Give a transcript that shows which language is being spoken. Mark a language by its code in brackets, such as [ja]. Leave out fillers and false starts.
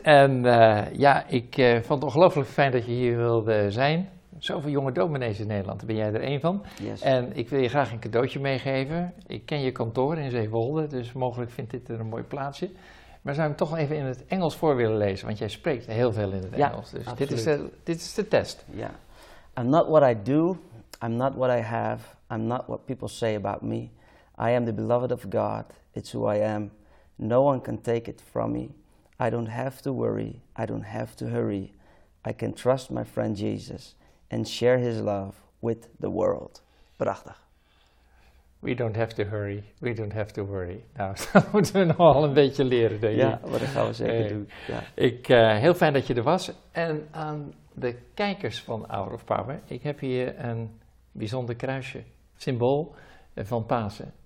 [nl] En ik vond het ongelooflijk fijn dat je hier wilde zijn. Zoveel jonge dominees in Nederland, ben jij er één van? [en] Yes. [nl] En ik wil je graag een cadeautje meegeven. Ik ken je kantoor in Zevenholde, dus mogelijk vindt dit er een mooi plaatsje. Maar zou ik hem toch even in het Engels voor willen lezen, want jij spreekt heel veel in het Engels. Dus dit is de test. Ja. [en] I'm not what I do, I'm not what I have, I'm not what people say about me. I am the beloved of God, it's who I am. No one can take it from me. I don't have to worry, I don't have to hurry. I can trust my friend Jesus. And share his love with the world. [nl] Prachtig. [en] We don't have to hurry. We don't have to worry. [nl] Nou, dat moeten we nog wel een beetje leren, denk ik. Ja, maar dat gaan we zeker doen. Ja. Ik, heel fijn dat je er was. En aan de kijkers van Hour of Power. Ik heb hier een bijzonder kruisje. Symbool van Pasen.